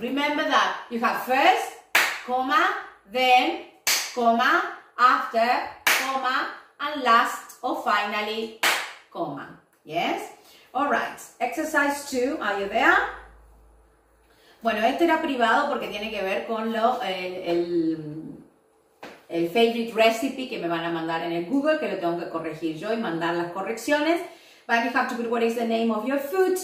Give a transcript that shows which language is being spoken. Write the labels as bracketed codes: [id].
[en] Remember that you have first, comma, then, comma, after, comma, and last, or finally, comma. Yes? All right, exercise 2, are you there? [es] Bueno, este era privado porque tiene que ver con el [en] favorite recipe [es] que me van a mandar en el Google, que lo tengo que corregir yo y mandar las correcciones. [en] But you have to put what is the name of your food.